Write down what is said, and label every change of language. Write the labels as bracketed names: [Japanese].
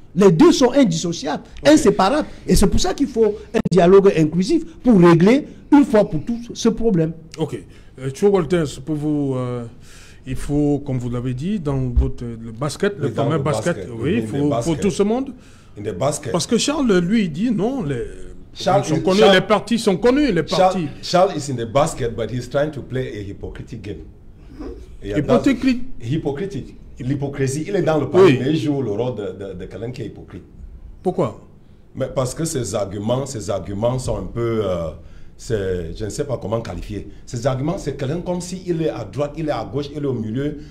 [French] Les deux sont indissociables, okay, inséparables. Et c'est pour ça qu'il faut un dialogue inclusif pour régler une fois pour toutes ce problème. Ok. Tchou Walters, pour vous, il faut, comme vous l'avez dit, dans votre le basket, le fameux basket, oui, il faut tout ce monde. [English] In the basket. [French] Parce que Charles, lui, il dit non, les... Charles, sont connus, Charles, les partis sont connus, les partis. [English] Charles is in the basket, but he's trying to play a hypocritic game. [French] Hypocritique. L'hypocrisie, il est dans le pari, oui, mais il joue le rôle de quelqu'un qui est hypocrite. Pourquoi? Mais parce que ses arguments sont un peu... je ne sais pas comment qualifier. Ses arguments, c'est quelqu'un comme s'il est à droite, il est à gauche, il est au milieu.